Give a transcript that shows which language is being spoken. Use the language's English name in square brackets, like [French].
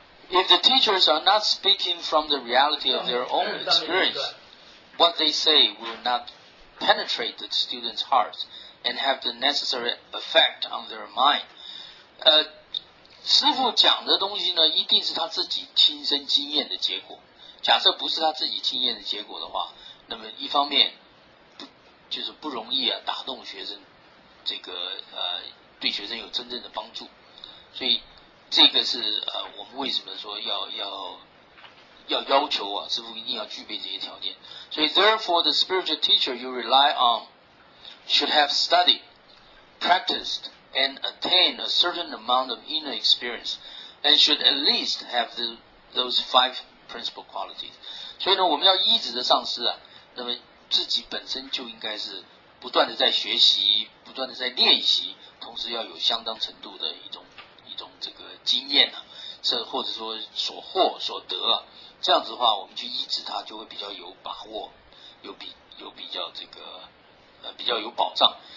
[English] If the teachers are not speaking from the reality of their own experience, what they say will not penetrate the students' hearts. And have the necessary effect on their mind. [Chinese] 师父讲的东西呢，一定是他自己亲身经验的结果。假设不是他自己经验的结果的话，那么一方面不容易啊打动学生，这个对学生有真正的帮助。所以这个是我们为什么说要求啊，师父一定要具备这些条件。所以 [English] therefore the spiritual teacher you rely on. Should have studied, practiced, and attained a certain amount of inner experience, and should at least have those five principal qualities. [Chinese] 所以呢，我们要一直的上师啊，那么自己本身就应该是不断的在学习，不断的在练习，同时要有相当程度的一种这个经验啊，这或者说所获所得啊，这样子的话，我们去一直它就会比较有把握，有比较这个。比较有保障。